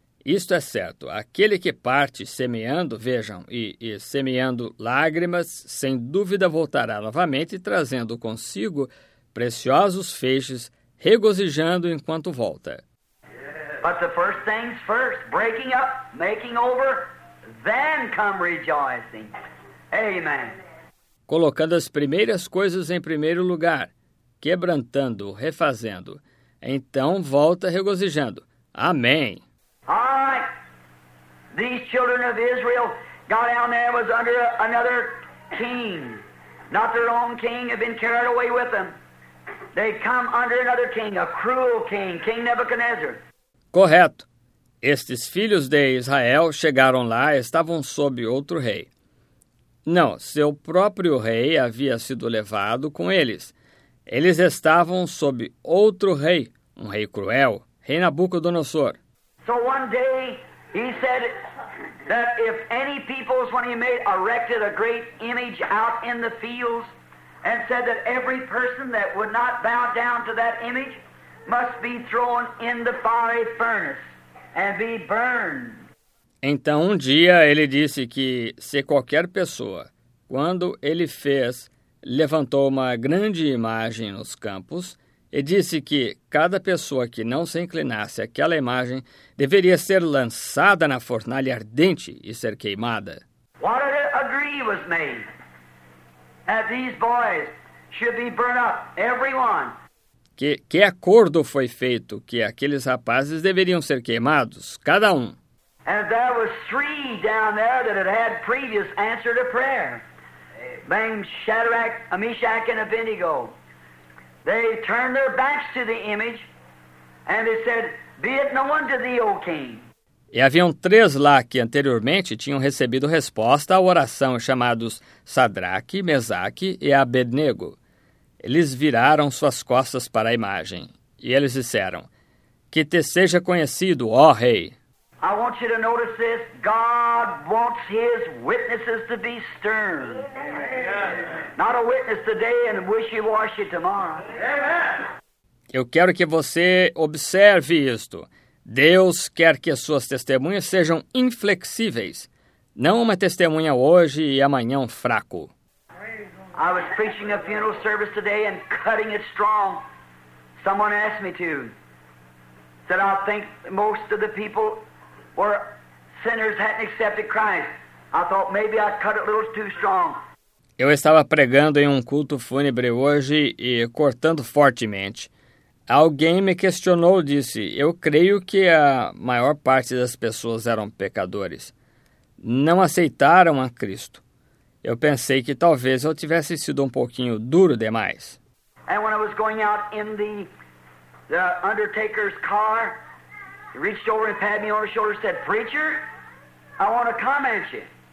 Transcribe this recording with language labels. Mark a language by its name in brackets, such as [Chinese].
[Portuguese] Isto é certo, aquele que parte semeando, vejam, e semeando lágrimas, sem dúvida voltará novamente, trazendo consigo preciosos feixes, regozijando enquanto volta. [English] But the first things first, breaking up, making over, then come rejoicing. Amen. [Portuguese] Colocando as primeiras coisas em primeiro lugar, quebrantando, refazendo, então volta regozijando. Amém. [English] All right, these children of Israel got down there, was under another king, not their own king, had been carried away with them. They come under another king, a cruel king, King Nebuchadnezzar. [Portuguese] Correto. Estes filhos de Israel chegaram lá e estavam sob outro rei. Não, seu próprio rei havia sido levado com eles. Eles estavam sob outro rei, um rei cruel, rei Nabucodonosor. [English] So one day he said that if any peoples, when he made erected a great image out in the fields, and said that every person that would not bow down to that image must be thrown in the fiery furnace and be burned. [Portuguese] Então um dia ele disse que se qualquer pessoa, quando ele fez, levantou uma grande imagem nos campos, e disse que cada pessoa que não se inclinasse àquela imagem deveria ser lançada na fornalha ardente e ser queimada. [English] What an agreement was made that these boys should be burned up, everyone. [Portuguese] Que acordo foi feito que aqueles rapazes deveriam ser queimados, cada um. [English] And there were three down there that had previous answer to prayer, named Shadrach, Meshach, and Abednego. They turned their backs to the image, and they said, be it known to thee, O king. [Portuguese] E haviam três lá que anteriormente tinham recebido resposta à oração, chamados Sadraque, Mesaque e Abednego. Eles viraram suas costas para a imagem, e eles disseram, que te seja conhecido, ó rei. [English] I want you to notice this. God wants his witnesses to be stern. Amen. Not a witness today and wishy-washy tomorrow. Amen. [Portuguese] Eu quero que você observe isto. Deus quer que as suas testemunhas sejam inflexíveis. Não uma testemunha hoje e amanhã um fraco. [English] I was preaching a funeral service today and cutting it strong. Someone asked me to. Said I think most of the people or sinners hadn't accepted Christ. I thought maybe I cut it a little too strong. [Portuguese] Eu estava pregando em um culto fúnebre hoje e cortando fortemente. Alguém me questionou, disse, eu creio que a maior parte das pessoas eram pecadores. não aceitaram a Cristo. Eu pensei que talvez eu tivesse sido um pouquinho duro demais. [English] And when I was going out in the undertaker's car, he reached over and patted me on the shoulder and said, "Preacher, I want to comment you."